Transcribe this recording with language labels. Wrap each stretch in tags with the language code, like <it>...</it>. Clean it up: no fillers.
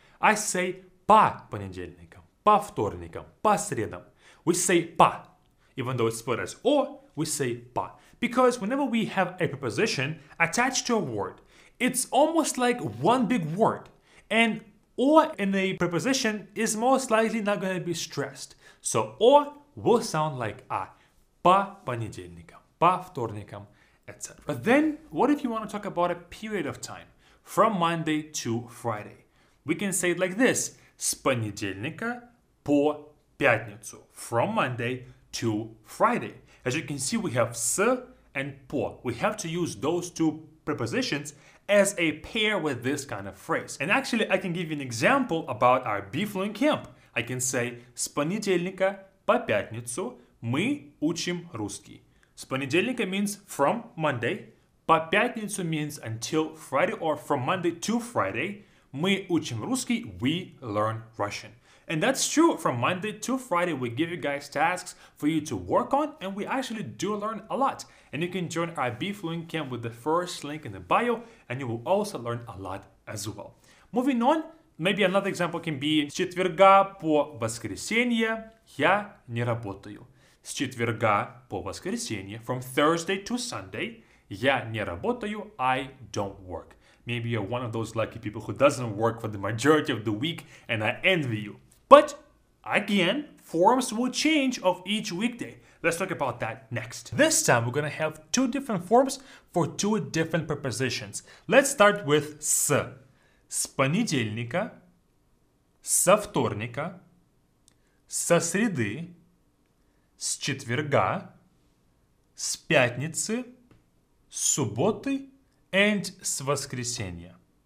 <en>I say</en> <ru>по понедельникам, по вторникам, по средам.</ru> <en>We say по. Even though it's spelled as о, we say по. Because whenever we have a preposition attached to a word, it's almost like one big word. And о in a preposition is most likely not going to be stressed. So о will sound like а.</en> <ru>По понедельникам, по вторникам,</ru> <en>etc. But then, what if you want to talk about a period of time? From Monday to Friday. We can say it like this.</en> <ru>С понедельника по пятницу.</ru> <en>From Monday to Friday. As you can see, we have с and по. We have to use those two prepositions as a pair with this kind of phrase. And actually, I can give you an example about our B-Fluent camp. I can say</en> <ru>с понедельника по пятницу мы учим русский. С понедельника</ru> <en>means from Monday.</en> <ru>По пятницу</ru> <en>means until Friday or from Monday to Friday.</en> <ru>Мы учим русский,</ru> <en>we learn Russian. And that's true, from Monday to Friday, we give you guys tasks for you to work on, and we actually do learn a lot. And you can join our B-Fluent camp with the first link in the bio, and you will also learn a lot as well. Moving on, Maybe another example can be</en> <ru>с четверга по воскресенье я не работаю. С четверга по воскресенье,</ru> <en>from Thursday to Sunday,</en> <ru>я не работаю,</ru> <en>I don't work. Maybe you're one of those lucky people who doesn't work for the majority of the week, and I envy you. But, again, forms will change of each weekday. Let's talk about that next. This time, we're gonna have two different forms for two different prepositions. Let's start with с.</en> <ru>С понедельника, со вторника, со среды, с четверга, с пятницы, с субботы,</ru> <en>and</en> <ru>с воскресенья.</ru>